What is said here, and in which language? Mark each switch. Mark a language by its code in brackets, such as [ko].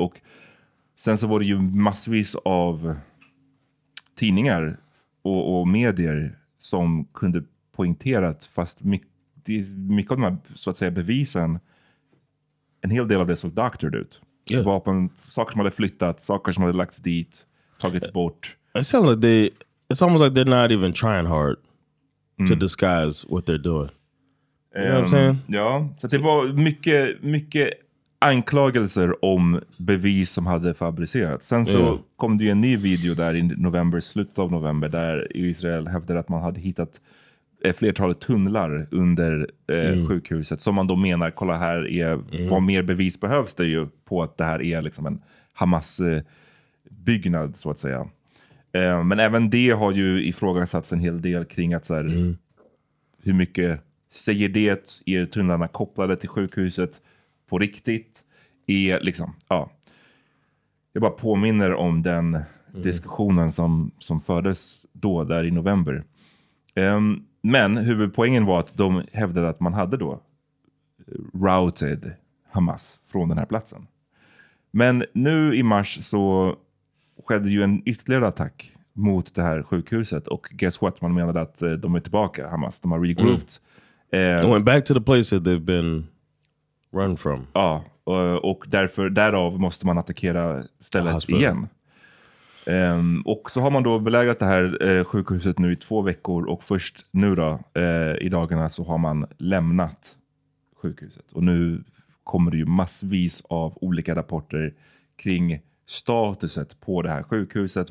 [sv] Och sen så var det ju massvis av tidningar och medier som kunde poängtera att, fast mycket av de här, så att säga, bevisen, en hel del av det såg doctored ut. Yeah. Vapen, saker som hade flyttat, saker som hade lagts dit, tagits bort. [en] It sounds like they, it's almost like they're not even trying hard to disguise what they're doing. You know what I'm saying? [sv] Ja, så det var mycket, mycket anklagelser om bevis som hade fabricerats. Sen så kom det ju en ny video där i november, slutet av november, där Israel hävdade att man hade hittat flertal tunnlar under sjukhuset, som man då menar, kolla här, är, vad mer bevis behövs det ju på att det här är liksom en Hamas-byggnad, så att säga. Men även det har ju ifrågasatts en hel del kring att så här, hur mycket säger det, är tunnlarna kopplade till sjukhuset på riktigt? Är liksom, ja. Jag bara påminner om den diskussionen som fördes då där i november. Men huvudpoängen var att de hävdade att man hade då routed Hamas från den här platsen. Men nu i mars så skedde ju en ytterligare attack mot det här sjukhuset. Och [en] guess what? [sv] Man menade att de är tillbaka, Hamas. De har regrouped. [en] They went back to the place that they've been run from. [sv] Ja, och därför, därav måste man attackera stället igen. Och så har man då belägrat det här sjukhuset nu i 2 veckor. Och först nu då, i dagarna, så har man lämnat sjukhuset. Och nu kommer det ju massvis av olika rapporter kring statuset på det här sjukhuset.